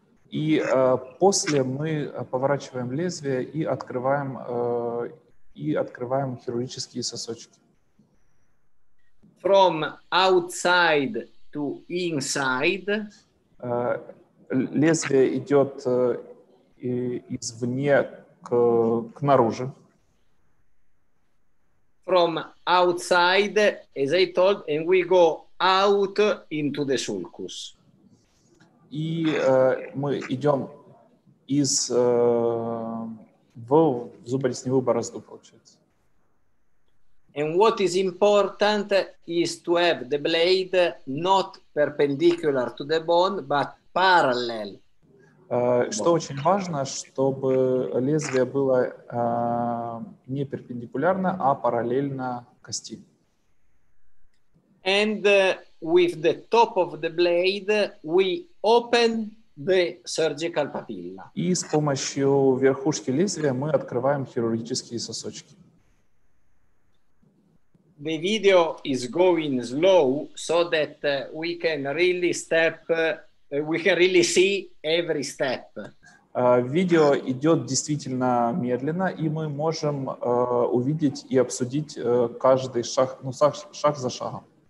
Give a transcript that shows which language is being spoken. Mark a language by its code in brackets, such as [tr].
[ru] И после мы поворачиваем лезвие и открываем хирургические сосочки. [en] From outside to inside. [ru] Лезвие идет извне к наружу. [en] from outside, as I told, and we go out into the sulcus. [ru] И мы идем из зубодесневую борозду, получается. [en] And what is important is to have the blade not perpendicular to the bone, but parallel. [ru] Что очень важно, чтобы лезвие было не перпендикулярно, а параллельно кости. [en] And with the top of the blade, we open the surgical papilla. [ru] И с помощью верхушки лезвия мы открываем хирургические сосочки. [en] The video is going slow so that we can really step, we can really see every step. [ru] Видео идет действительно медленно, и мы можем увидеть и обсудить каждый шаг, ну, шаг за шагом.